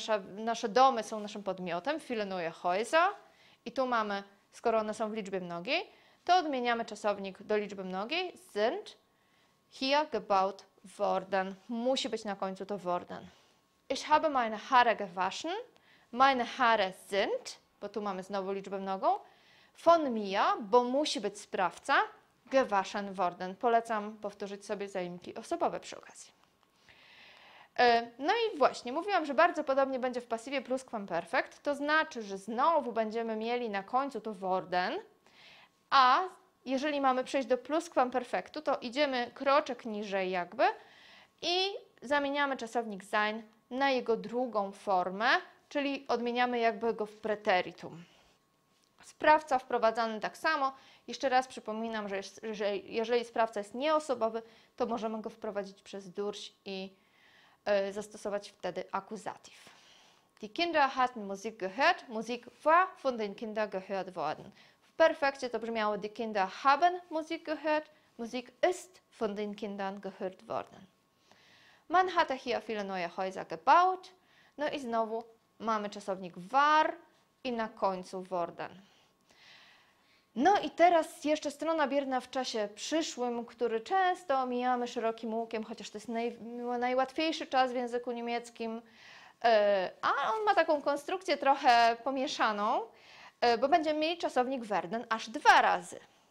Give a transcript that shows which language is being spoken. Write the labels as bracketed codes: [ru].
[pl] Nasze domy są naszym podmiotem, [de] viele neue Häuser. [pl] I tu mamy, skoro one są w liczbie mnogiej, to odmieniamy czasownik do liczby mnogiej, [de] sind hier gebaut worden. [pl] Musi być na końcu to worden. [de] Ich habe meine Haare gewaschen. Meine Haare sind, [pl] bo tu mamy znowu liczbę mnogą, [de] von mir, [pl] bo musi być sprawca, [de] gewaschen worden. [pl] Polecam powtórzyć sobie zaimki osobowe przy okazji. No i właśnie, mówiłam, że bardzo podobnie będzie w pasywie pluskwamperfekt, to znaczy, że znowu będziemy mieli na końcu to worden, a jeżeli mamy przejść do pluskwamperfektu, to idziemy kroczek niżej jakby i zamieniamy czasownik sein na jego drugą formę, czyli odmieniamy jakby go w preteritum. Sprawca wprowadzany tak samo. Jeszcze raz przypominam, że jeżeli sprawca jest nieosobowy, to możemy go wprowadzić przez durch i zastosować wtedy akuzatyw. [de] Die Kinder hatten Musik gehört. Musik war von den Kindern gehört worden. [pl] W perfekcie to brzmiało [de] Die Kinder haben Musik gehört. Musik ist von den Kindern gehört worden. Man hatte hier viele neue Häuser gebaut. [pl] No i znowu mamy czasownik war i na końcu worden. No i teraz jeszcze strona bierna w czasie przyszłym, który często omijamy szerokim łukiem, chociaż to jest najłatwiejszy czas w języku niemieckim, a on ma taką konstrukcję trochę pomieszaną, bo będziemy mieli czasownik werden aż dwa razy.